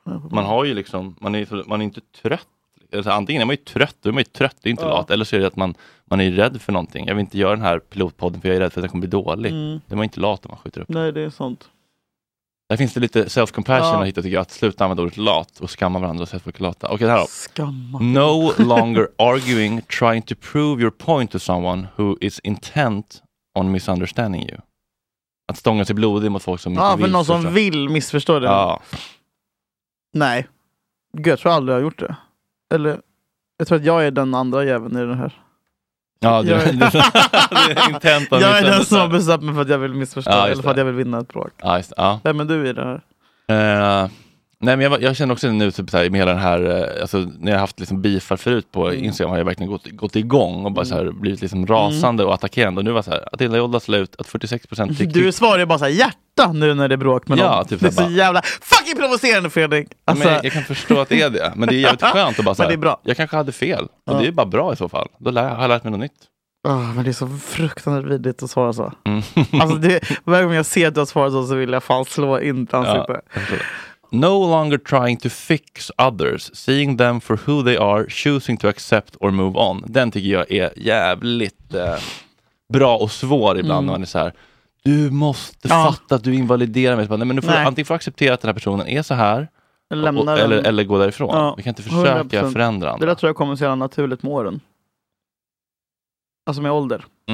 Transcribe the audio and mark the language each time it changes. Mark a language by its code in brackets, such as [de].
[sv] Man har ju liksom, man är inte trött. Alltså, antingen är man ju trött, då är man ju trött, det är inte lat. Eller så är det att man är rädd för någonting. Jag vill inte göra den här pilotpodden för jag är rädd för att den kommer bli dålig. Det är man inte lat om man skjuter upp. Nej, det är sant. Där finns det lite self-compassion att hitta, tycker jag. Att sluta använda ordet lat och skamma varandra och säga att folk är lata. Okej, här då. Skamma. [en] No longer arguing, trying to prove your point to someone who is intent on misunderstanding you. [sv] Att stånga sig blodig mot folk som inte vill. Ja, för någon som vill missförstå det. Ja. Nej. Gud, jag tror aldrig jag har gjort det. Eller, jag tror att jag är den andra jäveln i den här. Ja, du är jag är den som har besatt mig för att jag vill missförstå eller för att jag vill vinna ett bråk. Vem är du i det här? Jag känner också nu typ, såhär, med hela den här alltså, när jag har haft liksom, bifar förut på Instagram har jag verkligen gått igång och bara såhär, blivit liksom, rasande och attackerande. Och nu var det att hela jorden slår ut att 46% du svarar bara såhär, hjärta nu när det är bråk med någon. Typ, det är så jävla fucking provocerande, Fredrik alltså. Men jag kan förstå att det är det. Men det är jävligt skönt att bara såhär, men det är bra. Jag kanske hade fel, och det är bara bra i så fall. Då har jag lärt mig något nytt. Men det är så fruktansvärt vidrigt att svara så. Alltså det, varje gång jag ser att du har svarat så vill jag fan slå in ansiktet. [en] No longer trying to fix others, seeing them for who they are, choosing to accept or move on. [sv] Den tycker jag är jävligt bra och svår ibland när man är så här. Du måste fatta att du invaliderar mig. Nej, men du får antingen får acceptera att den här personen är så här eller gå därifrån. Ja. Vi kan inte försöka 100%. Förändra andra. Det där tror jag kommer att se naturligt med åren. Alltså med ålder.